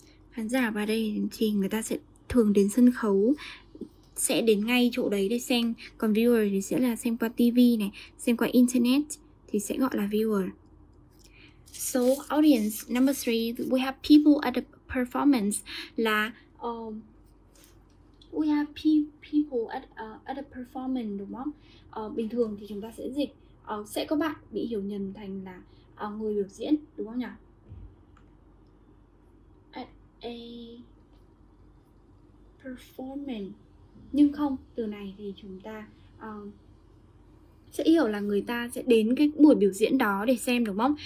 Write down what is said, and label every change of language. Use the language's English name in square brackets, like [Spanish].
[Vietnamese] Khán giả vào đây thì người ta sẽ thường đến sân khấu, sẽ đến ngay chỗ đấy để xem. Còn viewer thì sẽ là xem qua TV này, xem qua internet thì sẽ gọi là viewer. [English] So audience number 3, we have people at the performance. [Vietnamese] Là [English] we have people at the performance, [Vietnamese] đúng không? Bình thường thì chúng ta sẽ dịch sẽ có bạn bị hiểu nhầm thành là người biểu diễn, đúng không nhỉ? [English] A performance. [Vietnamese] Nhưng không, từ này thì chúng ta sẽ hiểu là người ta sẽ đến cái buổi biểu diễn đó để xem, đúng không?